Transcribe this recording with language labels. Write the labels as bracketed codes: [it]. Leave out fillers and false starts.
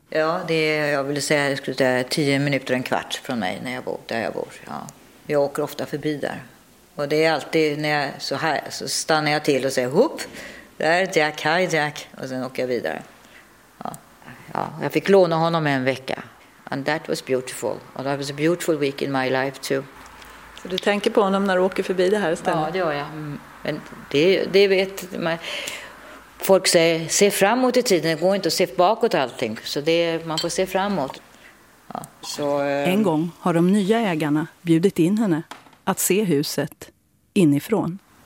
[sv] Ja, det är, jag vill säga, det skulle säga 10 minuter och en kvart från mig när jag bor där jag bor. Ja. Jag åker ofta förbi där. Och det är alltid när jag så här så stannar jag till och säger hopp. Där är Jack, hi Jack, och sen åker jag vidare. Ja. Ja, jag fick låna honom en vecka. [en] And that was beautiful. And that was a beautiful week in my life too. [sv] Så du tänker på honom när du åker förbi det här stället? Ja, det gör jag. Mm. Men det vet man. Folk säger, se framåt i tiden, det går inte att se bakåt allting. Så det, man får se framåt. Ja, så, En gång har de nya ägarna bjudit in henne att se huset inifrån.